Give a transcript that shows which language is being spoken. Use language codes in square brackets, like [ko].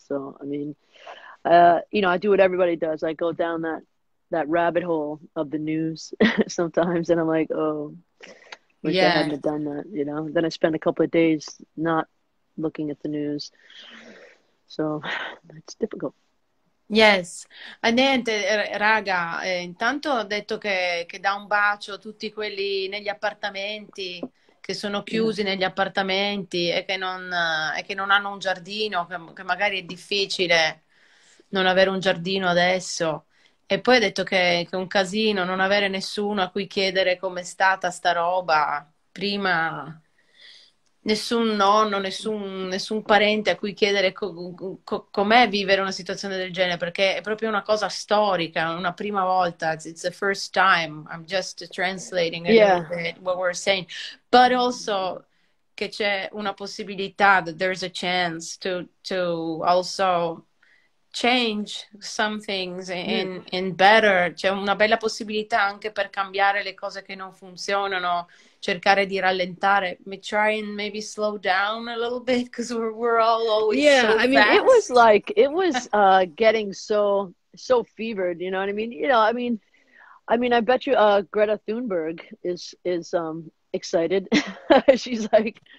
[en] So I do what everybody does. I go down that rabbit hole of the news sometimes, and I'm like, oh, wish I hadn't have done that, Then I spend a couple of days not looking at the news. So that's difficult. [it] Yes, a niente, raga, intanto ho detto che dà un bacio a tutti quelli negli appartamenti, che sono chiusi negli appartamenti e che non hanno un giardino, che magari è difficile non avere un giardino adesso. E poi ha detto che è un casino non avere nessuno a cui chiedere com'è stata sta roba. Prima nessun nonno, nessun parente a cui chiedere com'è vivere una situazione del genere, perché è proprio una cosa storica, una prima volta. [en] It's the first time. I'm just translating a little bit what we're saying. But also [it] che c'è una possibilità, [en] that there's a chance to also change some things in better. [it] C'è una bella possibilità anche per cambiare le cose che non funzionano. Cercare di rallentare, [en] try and maybe slow down a little bit, because we're all always Yeah, so I mean, it was fast. like it was getting so fevered, you know what I mean? I bet you Greta Thunberg is excited. She's like,